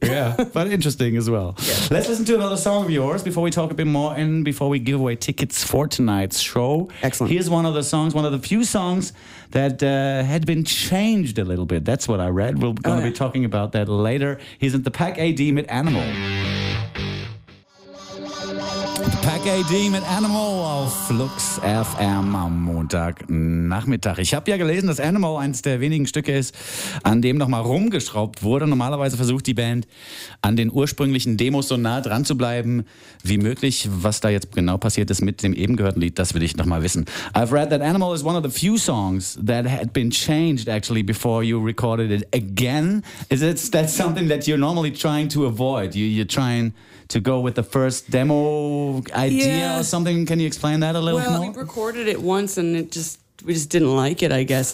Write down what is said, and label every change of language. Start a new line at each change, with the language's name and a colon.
English: Yeah, but interesting as well. Yeah. Let's listen to another song of yours before we talk a bit more and before we give away tickets for tonight's show. Excellent. Here's one of the songs, one of the few songs that had been changed a little bit. That's what I read. We're going to be talking about that later. He's at the Pack AD Mid Animal.
German: PackAD mit Animal auf Lux FM am Montagnachmittag. Ich habe ja gelesen, dass Animal eines der wenigen Stücke ist, an dem nochmal rumgeschraubt wurde. Normalerweise versucht die Band, an den ursprünglichen Demos so nah dran zu bleiben wie möglich. Was da jetzt genau passiert ist mit dem eben gehörten Lied, das will ich nochmal wissen.
English: I've read that Animal is one of the few songs that had been changed actually before you recorded it again. Is that something that you're normally trying to avoid? You're trying to go with the first demo idea or something? Can you explain that a little more? Well, we recorded it once and we just didn't like it, I guess.